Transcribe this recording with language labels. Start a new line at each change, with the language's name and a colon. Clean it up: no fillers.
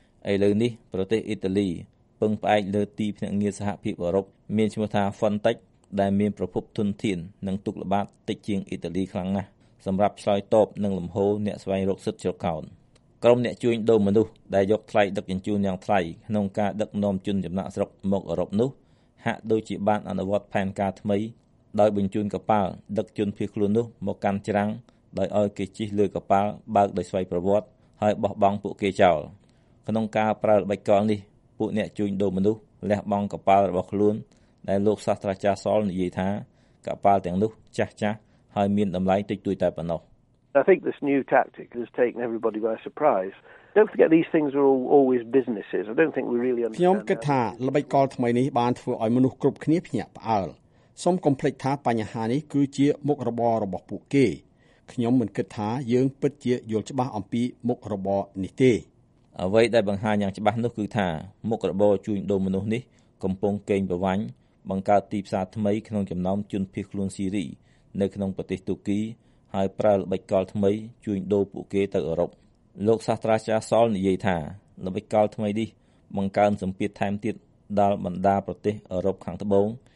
Khmer: ឥឡូវនេះប្រទេសអ៊ីតាលីពឹងផ្អែកលើទីភ្នាក់ងារសហភាពអឺរ៉ុបមានឈ្មោះថា Frontex ដែលមានប្រភពធនធាននិងទូកល្បាតតិចជាងអ៊ីតាលីខ្លាំងណាស់សម្រាប់ឆ្លើយតបនឹងលំហូរអ្នកស្វែងរកសិទ្ធិជ្រកកោនក្រុមអ្នកជួញដូរមនុស្សដែលយកថ្លៃដឹកជញ្ជូនយ៉ាងថ្លៃក្នុងការដឹកនាំជនចំណាក់ស្រុកមកអឺរ៉ុបនោះហាក់ដូចជាបានអនុវត្តផែនការថ្មីដោយបញ្ជូនកប៉ាល់ដឹកជនភៀសខ្លួននោះមកកាន់ច្រាំងដោយឲ្យគេជិះលើកប៉ាល់បើកដោយស្វ័យប្រវត្តិហើយបោះបង់ពួកគេចោល ក្នុងការប្រើល្បិចកលនេះពួកអ្នកជួញដូរមនុស្សលះបង់កប៉ាល់របស់ខ្លួនដែលលោកសាស្ត្រាចារ្យសល់និយាយថាកប៉ាល់ទាំងនោះចាស់ចាស់ហើយមានតម្លៃតិចតួចតែប៉ុណ្ណោះ
English: I think this new tactic has taken everybody by surprise. Don't forget these things are always businesses. I don't think we really understand.
Khmer: ខ្ញុំគិតថាល្បិចកលថ្មីនេះបានធ្វើឲ្យមនុស្សគ្រប់គ្នាភ្ញាក់ផ្អើលសូមកុំភ្លេចថាបញ្ហានេះគឺជាមុខរបររបស់ពួកគេខ្ញុំមិនគិតថាយើងពិតជាយល់ច្បាស់អំពីមុខរបរនេះទេ អ្វីដែលបង្ហាញយ៉ាងច្បាស់នោះគឺថាមុខរបរជួញដូរមនុស្សនេះកំពុងកេងប្រវ័ញ្ចបង្កើតទីផ្សារថ្មីក្នុងចំណោមជនភៀសខ្លួនស៊ីរីនៅក្នុងប្រទេសទូគីហើយប្រើល្បិចកលថ្មីជួញដូរពួកគេទៅអឺរ៉ុបលោកសាស្ត្រាចារ្យសល់និយាយថាល្បិចកលថ្មីនេះបង្កើនសម្ពាធថែមទៀតដល់បណ្ដាប្រទេសអឺរ៉ុបខាងត្បូង